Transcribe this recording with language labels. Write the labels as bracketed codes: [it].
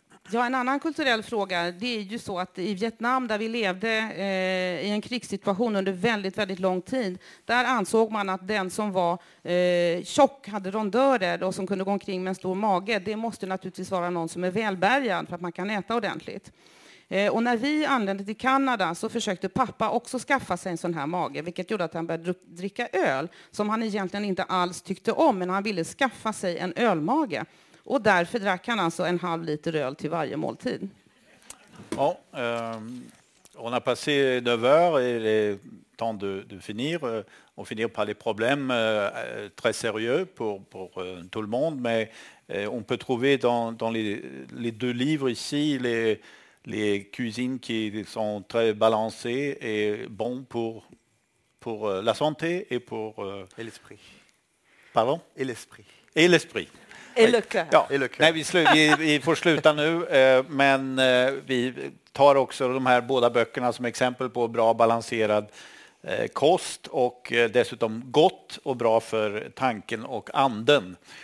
[sv] Ja, en annan kulturell fråga, det är ju så att i Vietnam där vi levde i en krigssituation under väldigt, väldigt lång tid, där ansåg man att den som var tjock, hade rondörer och som kunde gå omkring med en stor mage, det måste naturligtvis vara någon som är välbärgad för att man kan äta ordentligt. Och när vi anlände till Kanada så försökte pappa också skaffa sig en sån här mage, vilket gjorde att han började dricka öl som han egentligen inte alls tyckte om, men han ville skaffa sig en ölmage. Och därför drack han alltså en halv liter öl till varje måltid. [fr] Ja, on a passé 9 heures et il est temps de finir. On finit par les problèmes très sérieux pour tout le monde, mais on peut trouver dans les deux livres ici les cuisines qui sont très balancées et bonnes pour la santé et pour et l'esprit. Pardon? Et l'esprit. Et l'esprit. Et le cœur. [sv] Ja. Nej, vi får sluta nu, men vi tar också de här båda böckerna som exempel på bra balanserad kost och dessutom gott och bra för tanken och anden.